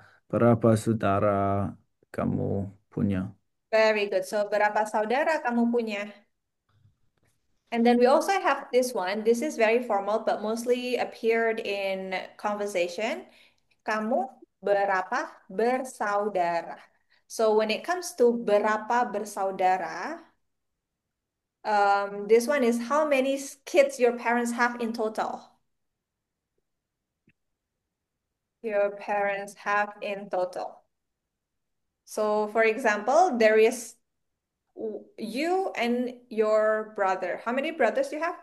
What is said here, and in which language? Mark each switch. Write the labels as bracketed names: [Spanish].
[Indonesian] berapa saudara kamu punya? [English] Very good. [Indonesian] So berapa saudara kamu punya? [English] And then we also have this one. This is very formal, but mostly appeared in conversation. [Indonesian] Kamu berapa bersaudara? [English] So when it comes to [Indonesian] berapa bersaudara, [English] this one is how many kids your parents have in total? Your parents have in total. So for example, there is you and your brother. How many brothers you have?